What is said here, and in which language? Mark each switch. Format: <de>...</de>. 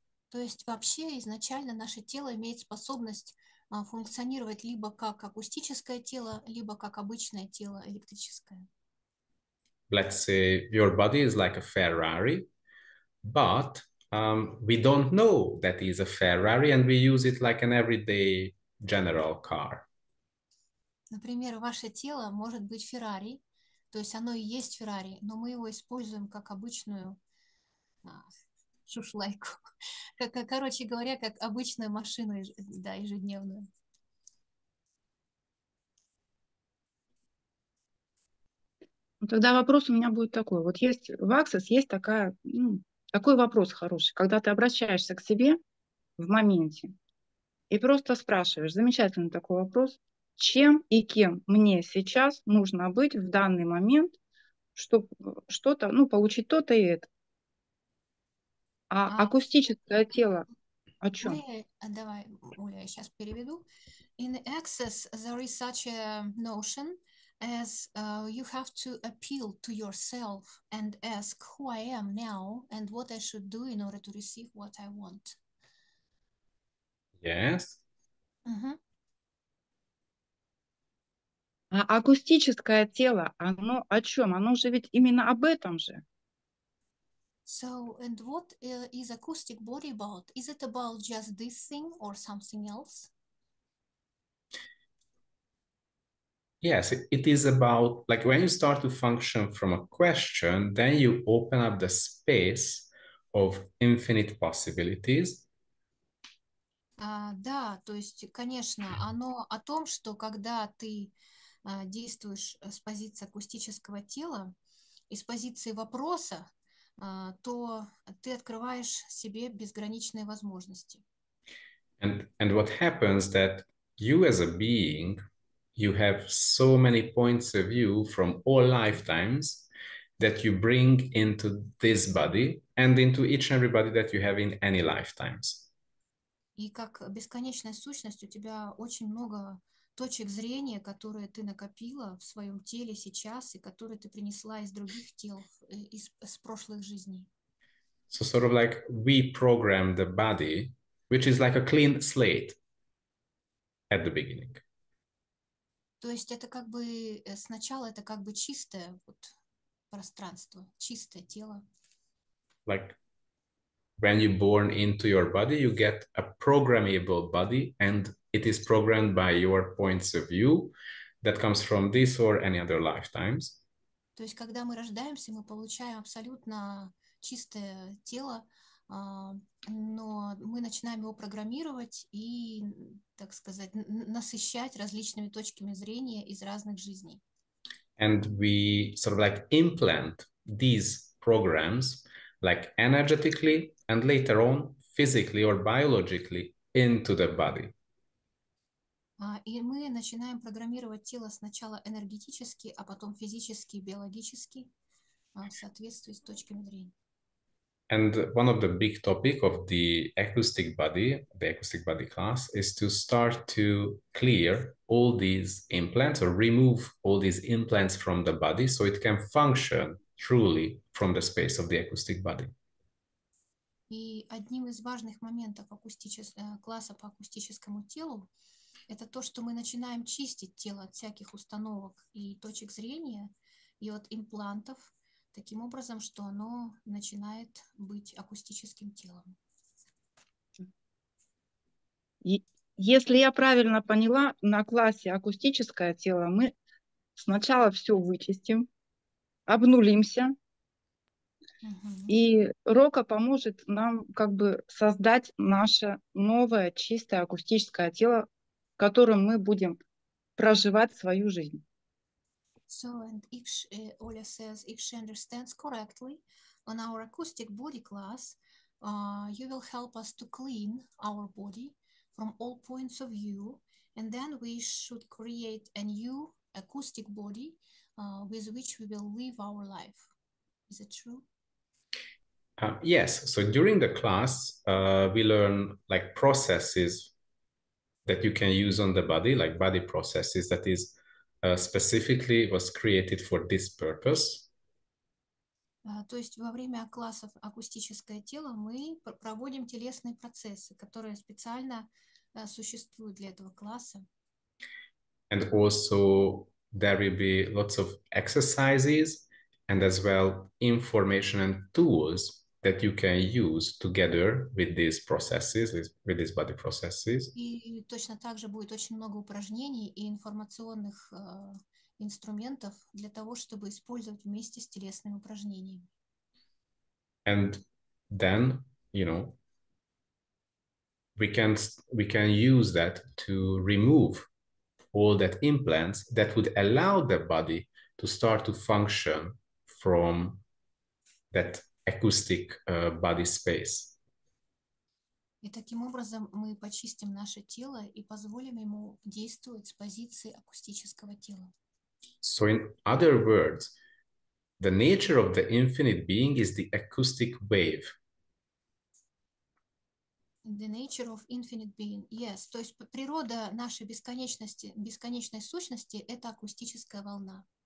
<ru>То есть вообще изначально наше тело имеет способность функционировать либо как акустическое тело, либо как обычное тело электрическое.</ru> <en>Let's say your body is like a Ferrari, but we don't know that it is a Ferrari and we use it like an everyday general car.</en> <ru>Например, ваше тело может быть Феррари, то есть оно и есть Феррари, но мы его используем как обычную шушлайку. Короче говоря, как обычную машину, да, ежедневную. Тогда вопрос у меня будет такой. Вот есть в Access, есть такая, такой вопрос хороший, когда ты обращаешься к себе в моменте и просто спрашиваешь, замечательный такой вопрос, чем и кем мне сейчас нужно быть в данный момент, чтобы что-то, ну, получить то-то и это. А А акустическое тело о чем? давай, Оля, я сейчас переведу.</ru> <en>In access, there is such a notion as you have to appeal to yourself and ask who I am now and what I should do in order to receive what I want. Yes.</en> <ru>А акустическое тело, оно о чем? Оно же ведь именно об этом же.</ru> <en>So, and what is acoustic body about? Is it about just this thing or something else? Yes, it is about, like when you start to function from a question, then you open up the space of infinite possibilities.</en> <ru>Да, то есть, конечно, оно о том, что когда ты действуешь с позиции акустического тела и с позиции вопроса, то ты открываешь себе безграничные возможности.</ru> <en>And what happens that you as a being, you have so many points of view from all lifetimes that you bring into this body and into each and every body that you have in any lifetimes.</en> <ru>И как бесконечная сущность, у тебя очень много точек зрения, которые ты накопила в своем теле сейчас и которые ты принесла из других тел, из прошлых жизней.</ru> <en>So sort of like we program the body, which is like a clean slate at the beginning.</en> <ru>То есть это как бы сначала это как бы чистое вот пространство, чистое тело.</ru> <en>Like when you're born into your body, you get a programmable body, and it is programmed by your points of view that comes from this or any other lifetimes.</en> <ru>То есть, когда мы рождаемся, мы получаем абсолютно чистое тело, но мы начинаем его программировать и, так сказать, насыщать различными точками зрения из разных жизней.</ru> <en>And we sort of like implant these programs like energetically and later on physically or biologically into the body.</en> <ru>И мы начинаем программировать тело сначала энергетически, а потом физически, биологически, в соответствии с точками зрения.</ru> <en>And one of the big topic of the acoustic body class, is to start to clear all these implants or remove all these implants from the body so it can function truly from the space of the acoustic body.</en> <ru>И одним из важных моментов класса по акустическому телу это то, что мы начинаем чистить тело от всяких установок и точек зрения, и от имплантов, таким образом, что оно начинает быть акустическим телом. Если я правильно поняла, на классе акустическое тело мы сначала все вычистим, обнулимся, и Рока поможет нам как бы создать наше новое чистое акустическое тело, в котором мы будем проживать свою жизнь.</ru> <en>So, and if she, Оля says, if she understands correctly, on our acoustic body class, you will help us to clean our body from all points of view, and then we should create a new acoustic body with which we will live our life. Is it true? Yes. So during the class, we learn like processes that you can use on the body, like body processes, that is specifically was created for this purpose.</en> <ru>То есть во время классов акустическое тело мы проводим телесные процессы, которые специально существуют для этого класса.</ru> <en>And also there will be lots of exercises and as well information and tools that you can use together with these processes, with these body processes.</en> <ru>И точно так же будет очень много упражнений и информационных инструментов для того, чтобы использовать вместе с телесными упражнениями.</ru> <en>And then, you know, we can use that to remove all that implants that would allow the body to start to function from that acoustic body space.</en> <ru>И таким образом мы почистим наше тело и позволим ему действовать с позиции акустического тела.</ru> <en>So in other words, the nature of the infinite being is the acoustic wave. The nature of infinite being, yes.</en> <ru>То есть природа нашей бесконечности, бесконечной сущности — это акустическая волна.</ru>